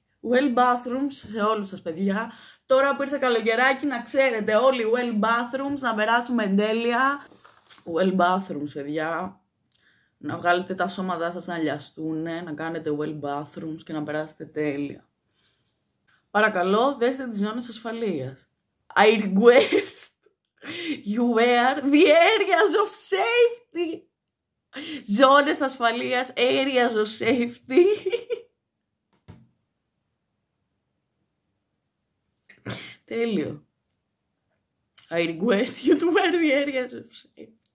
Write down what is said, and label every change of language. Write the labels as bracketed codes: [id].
[en] Well bathrooms [el] σε όλους σας παιδιά. Τώρα που ήρθε καλοκαιράκι να ξέρετε όλοι [en] well bathrooms, [el] να περάσουμε εντέλεια. [en] Well bathrooms, [el] παιδιά. Να βγάλετε τα σώματά σας να λιαστούν, να κάνετε [en] well bathrooms [el] και να περάσετε τέλεια. Παρακαλώ, δέστε τις ζώνες ασφαλείας. [en] I request you wear the areas of safety. [el] Ζώνες ασφαλείας, [en] areas of safety. [el] Τέλειο. [en] I request you to wear the areas of safety.